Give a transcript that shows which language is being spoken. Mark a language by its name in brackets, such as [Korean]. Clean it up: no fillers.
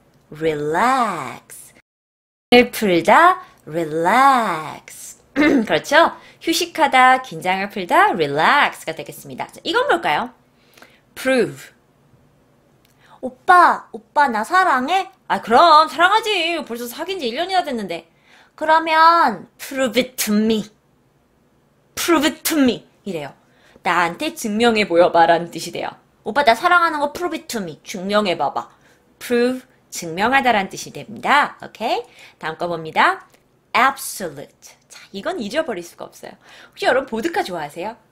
[Korean] 릴렉스. 긴장을 풀다. 릴렉스. 그렇죠? 휴식하다, 긴장을 풀다. 릴렉스가 되겠습니다. 이건 뭘까요? 프루브. 오빠, 나 사랑해? 아, 그럼, 사랑하지. 벌써 사귄 지 1년이나 됐는데. [English] 그러면, prove it to me. prove it to me. 이래요. [Korean] 나한테 증명해 보여봐라는 뜻이 돼요. 오빠, 나 사랑하는 거 [English] prove it to me. [Korean] 증명해 봐봐. prove, 증명하다라는 뜻이 됩니다. 오케이? 다음 거 봅니다. absolute. 자, 이건 잊어버릴 수가 없어요. 혹시 여러분, 보드카 좋아하세요?